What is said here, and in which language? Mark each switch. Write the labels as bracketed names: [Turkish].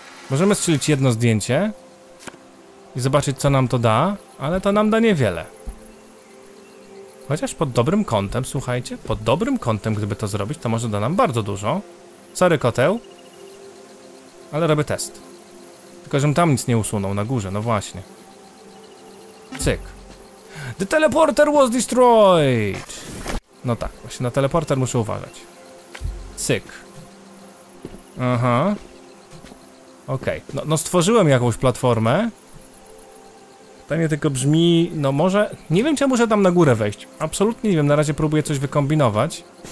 [Polish] Możemy strzelić jedno zdjęcie i zobaczyć, co nam to da, ale to nam da niewiele. Chociaż pod dobrym kątem, słuchajcie, pod dobrym kątem, gdyby to zrobić, to może da nam bardzo dużo. Sorry, koteł. Ale robię test. Tylko, żebym tam nic nie usunął, na górze, no właśnie. Cyk. [English] The teleporter was destroyed! [Polish] No tak, właśnie na teleporter muszę uważać. Cyk. Aha. Okej, okay. No stworzyłem jakąś platformę. Pytanie tylko brzmi, no może... Nie wiem, czy muszę tam na górę wejść. Absolutnie nie wiem, na razie próbuję coś wykombinować.